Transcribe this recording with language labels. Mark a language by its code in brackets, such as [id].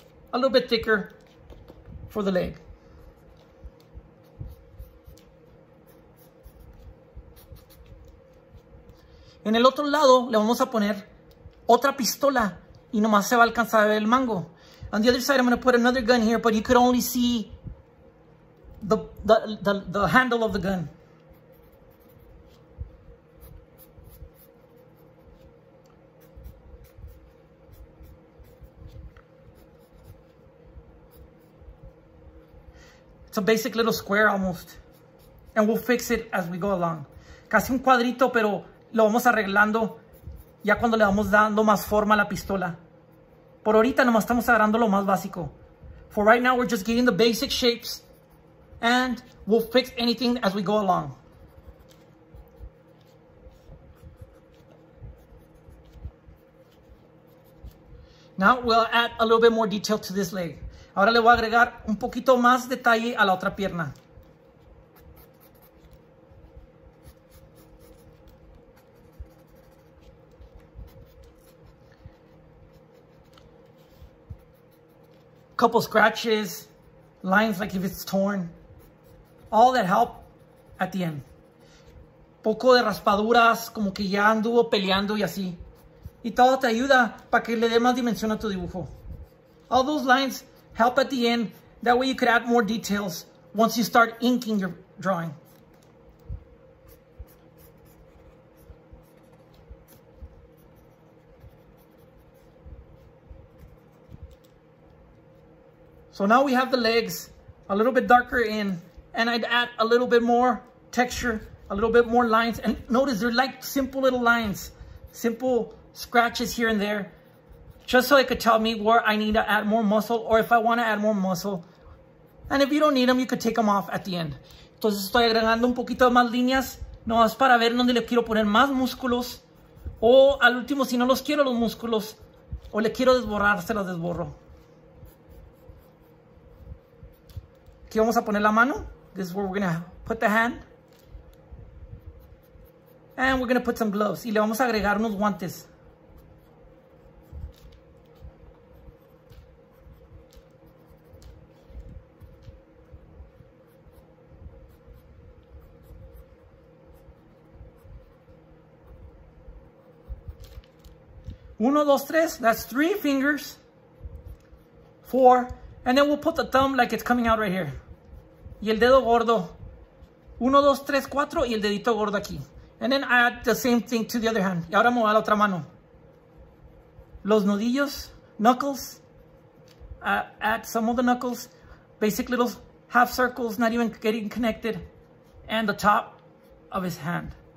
[en] A little bit thicker for the leg. [es] En el otro lado le vamos a poner otra pistola y nomás se va a alcanzar a ver el mango. [en] On the other side I'm going to put another gun here, but you could only see the handle of the gun. It's a basic little square almost. And we'll fix it as we go along. [es] Casi un cuadrito, pero lo vamos arreglando ya cuando le vamos dando más forma a la pistola. Por ahorita nomás estamos agarrando lo más básico. [en] For right now, we're just getting the basic shapes. And we'll fix anything as we go along. Now we'll add a little bit more detail to this leg. [es] Ahora le voy a agregar un poquito más detalle a la otra pierna. [en] couple scratches, lines like if it's torn. All that help at the end. [es] Poco de raspaduras, como que ya anduvo peleando y así. Y todo te ayuda para que le dé más dimensión a tu dibujo. [en] All those lines help at the end. That way you could add more details once you start inking your drawing. So now we have the legs a little bit darker in, and I'd add a little bit more texture, a little bit more lines. And notice they're like simple little lines, simple scratches here and there, just so it could tell me where I need to add more muscle or if I want to add more muscle. And if you don't need them, you could take them off at the end. [es] Entonces estoy agregando un poquito más líneas, no es para ver dónde le quiero poner más músculos, o al último, si no los quiero los músculos, o le quiero desborrar, se los desborro. Aquí vamos a poner la mano. [en] This is where we're going to put the hand. And we're going to put some gloves. [es] Y le vamos a agregar unos guantes. Uno, dos, tres. [en] That's three fingers. Four. And then we'll put the thumb like it's coming out right here. [es] Y el dedo gordo. Uno, dos, tres, cuatro. Y el dedito gordo aquí. [en] And then add the same thing to the other hand. [es] Y ahora me voy a la otra mano. Los nudillos. [en] Knuckles. Add some of the knuckles. Basic little half circles. Not even getting connected. And the top of his hand.